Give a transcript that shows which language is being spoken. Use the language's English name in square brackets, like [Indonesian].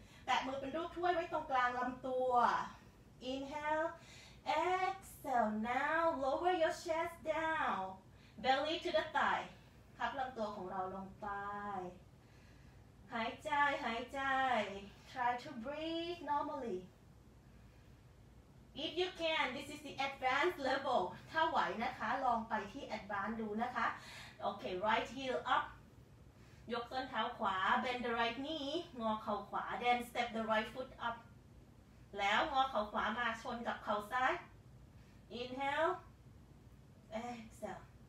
[Thai] แตะมือเป็นรูปถ้วยไว้ตรงกลางลำตัว [English] Inhale, exhale. Now lower your chest down. Belly to the thigh. [Thai] พับลำตัวของเราลงไปหายใจหายใจ [English] Try to breathe normally. If you can, this is the advanced level. [Thai] ถ้าไหวนะคะลองไปที่ advanced ดูนะคะ [English] Okay, right heel up. [Thai] ยกส้นเท้าขวา [English] bend the right knee [Thai] งอเข่าขวา [English] then step the right foot up [Thai] แล้วงอเข่าขวามาชนกับเข่าซ้าย [English] inhale exhale